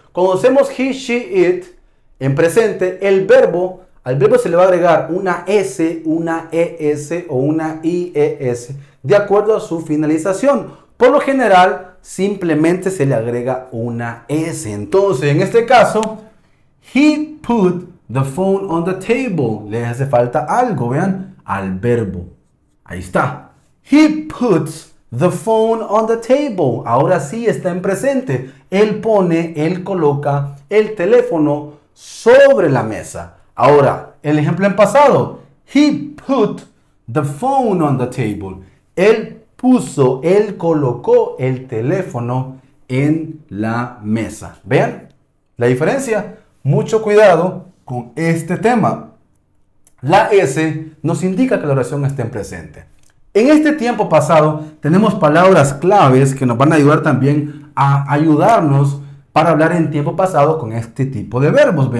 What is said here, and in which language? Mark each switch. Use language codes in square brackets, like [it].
[es] Cuando usemos he, she, it en presente, el verbo, al verbo se le va a agregar una S, una ES o una IES de acuerdo a su finalización. Por lo general, simplemente se le agrega una S. Entonces, en este caso, [en] he put the phone on the table. [es] Le hace falta algo, vean, al verbo. Ahí está. [en] He puts the phone on the table. [es] Ahora sí está en presente. Él pone, él coloca el teléfono sobre la mesa. Ahora, el ejemplo en pasado. [en] He put the phone on the table. [es] Él puso, él colocó el teléfono en la mesa. ¿Vean la diferencia? Mucho cuidado con este tema. La S nos indica que la oración está en presente. En este tiempo pasado, tenemos palabras claves que nos van a ayudar también a ayudarnos para hablar en tiempo pasado con este tipo de verbos.